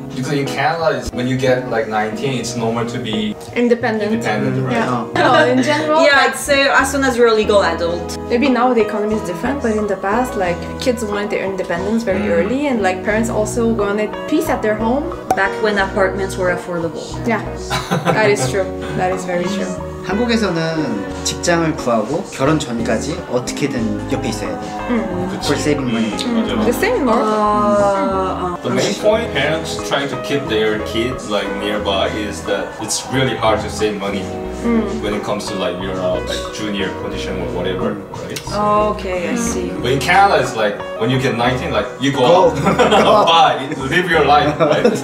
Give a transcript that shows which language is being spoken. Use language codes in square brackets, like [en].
[en] Because in Canada, when you get like 19, it's normal to be independent, right? Yeah. No, in general. Yeah, I'd say as soon as you're a legal adult. Maybe now the economy is different, but in the past, like kids wanted their independence very early, and like parents also wanted peace at their home. Back when apartments were affordable. Yeah, that is true. That is very true. [ko] 한국에서는 직장을 구하고 결혼 전까지 어떻게든 옆에 있어야 돼. [en] For saving money. The same in Morocco. The main point parents trying to keep their kids like nearby is that it's really hard to save money when it comes to like your like junior position or whatever, right? So, oh, okay, I see. But in Canada, it's like when you get 19, like you go out, buy, live your life, right?